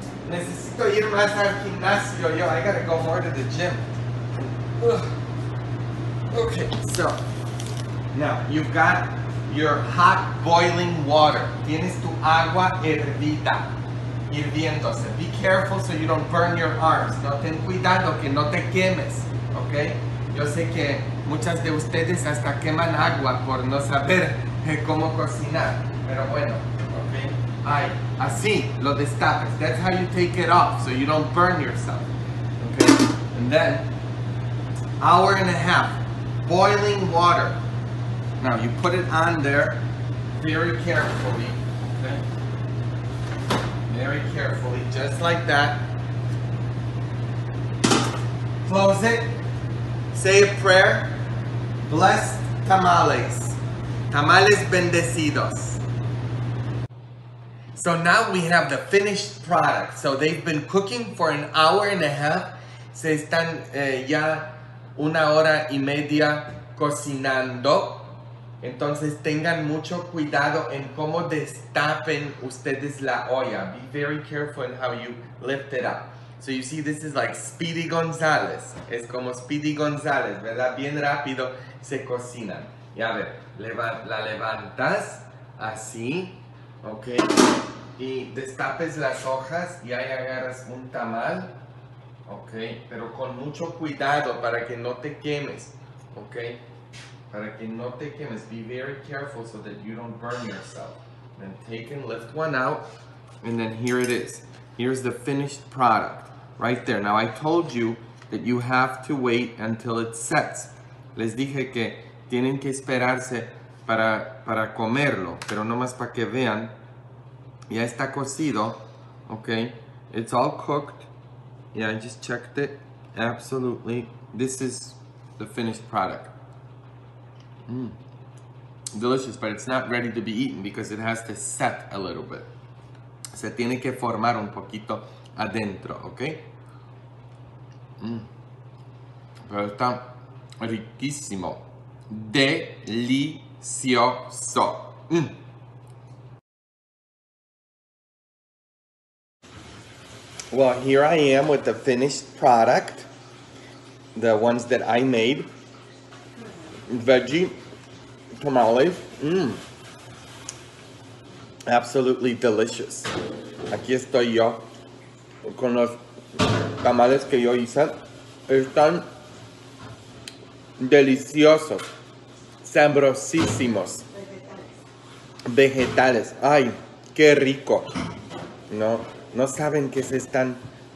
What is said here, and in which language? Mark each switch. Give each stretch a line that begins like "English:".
Spanish: Necesito ir más al gimnasio, yo,
English: I gotta go more to the gym. Okay, so, now, you've got your hot boiling water.
Spanish: Tienes tu agua hervida, hirviéndose.
English: Be careful so you don't burn your arms.
Spanish: No, ten cuidado que no te quemes, okay? Yo sé que muchas de ustedes hasta queman agua por no saber cómo cocinar, pero bueno. Ay, así lo destapas.
English: That's how you take it off, so you don't burn yourself. Okay, and then, hour and a half, boiling water. Now, you put it on there very carefully, okay? Very carefully, just like that. Close it, say a prayer. Bless tamales.
Spanish: Tamales bendecidos.
English: So now we have the finished product. So they've been cooking for an hour and a half.
Spanish: Se están ya una hora y media cocinando. Entonces tengan mucho cuidado en cómo destapen ustedes la olla.
English: Be very careful in how you lift it up. So you see, this is like Speedy Gonzales.
Spanish: Es como Speedy Gonzales, ¿verdad? Bien rápido se cocinan. Y a ver, la levantas así. Ok, y destapes las hojas y ahí agarras un tamal, ok, pero con mucho cuidado para que no te quemes, ok, para que no te quemes.
English: Be very careful so that you don't burn yourself. Then take and lift one out, and then here it is. Here's the finished product, right there. Now I told you that you have to wait until it sets.
Spanish: Les dije que tienen que esperarse para comerlo, pero no más para que vean. Ya está cocido, okay?
English: It's all cooked. Yeah, I just checked it. Absolutely. This is the finished product. Mmm. Delicious, but it's not ready to be eaten because it has to set a little bit.
Spanish: Se tiene que formar un poquito adentro, okay? Mmm. Pero está riquísimo. Delicioso. Mmm.
English: Well, here I am with the finished product, the ones that I made, veggie tamales, mmm, absolutely delicious.
Spanish: Aquí estoy yo con los tamales que yo hice, están deliciosos, sabrosísimos, vegetales, ay, qué rico, no saben que se están deliciosos.